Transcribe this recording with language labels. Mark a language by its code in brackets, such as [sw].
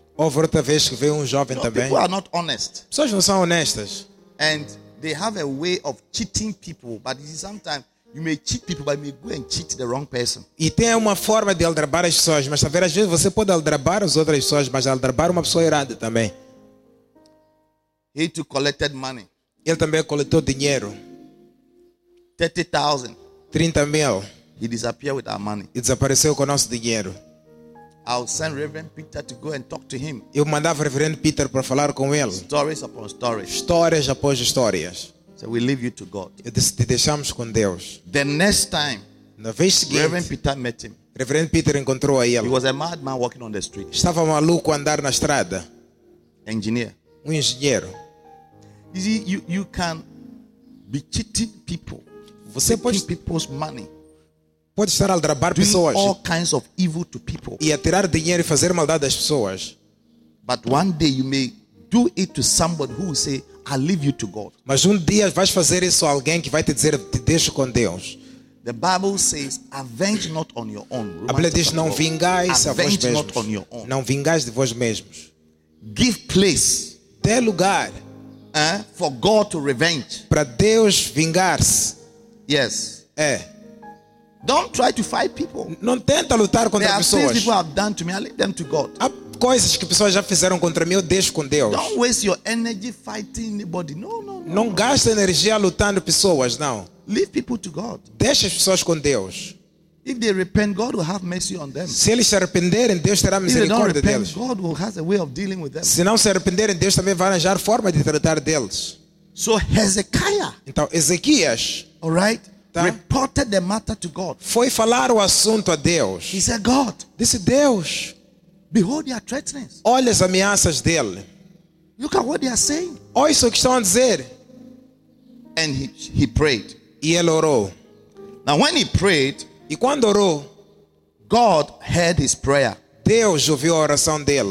[pt] Houve outra vez que veio um jovem também. [en] People are not honest. [pt] Pessoas não são honestas. [en] And they have a way of cheating people, but sometimes you may cheat people, but you may go and cheat the wrong person. [pt] E tem uma forma de aldrabar as pessoas, mas às vezes você pode aldrabar as outras pessoas, mas aldrabar uma pessoa errada também. [en] He too collected money. [pt] Ele também coletou dinheiro. [en] 30,000. [pt] 30 mil. [en] He disappeared with our money. [pt] E desapareceu com o nosso dinheiro. [en] I'll send Reverend Peter to go and talk to him. [pt] Eu mandava o Reverendo Peter para falar com ele. [en] Stories upon stories. [pt] Histórias após histórias. [en] So we leave you to God. [pt] Te deixamos com Deus. [en] The next time, [pt] na vez seguinte, [en] Reverend Peter met him. [pt] Reverend Peter encontrou a ele. [en] He was a madman walking on the street. [pt] Estava maluco a andar na estrada. [en] Engineer. [pt] Um engenheiro. [en] You see, you can be cheating people. [pt] Você pode [en] cheating people's money. [pt] Pode estar a aldrabar pessoas. [en] All kinds of evil to people. [pt] E atirar dinheiro e fazer maldade às pessoas. [en] But one day you may do it to somebody who will say, I leave you to God. [pt] Mas dia vais fazer isso a alguém que vai te dizer, te deixo com Deus. [en] The Bible says, avenge not on your own. [pt] A Bíblia diz, não vingais a vós mesmos. [en] Not on your own. [pt] Não vingais de vós mesmos. [en] Give place. [pt] Dê lugar. [en] For God to revenge. [pt] Para Deus vingar-se. [en] Yes. [pt] É. [en] Don't try to fight people. [pt] Não tenta lutar contra pessoas. [en] There are things people have done to me. I leave them to God. [pt] Há coisas que pessoas já fizeram contra mim. Eu deixo com Deus. [en] Don't waste your energy fighting anybody. [pt] No. Não gaste energia lutando pessoas, não. [en] Leave people to God. [pt] Deixe as pessoas com Deus. [en] If they repent, God will have mercy on them. [pt] Se eles se arrependerem, Deus terá misericórdia deles. [en] God will have a way of dealing with them. [pt] Se não se arrependerem, Deus também vai arranjar forma de tratar deles. [en] So Hezekiah. [pt] Então Ezequias. [en] All right. Tá? Reported the matter to God. [pt] Foi falar o assunto a Deus. [en] He said, God, [pt] disse Deus, [en] behold your threatenings. [pt] Olha as ameaças dele. [en] Look at what they are saying. [pt] Olha isso que estão a dizer. [en] And he prayed. [pt] E ele orou. [en] Now when he prayed, [pt] e quando orou, [en] God heard his prayer. [pt] Deus ouviu a oração dele.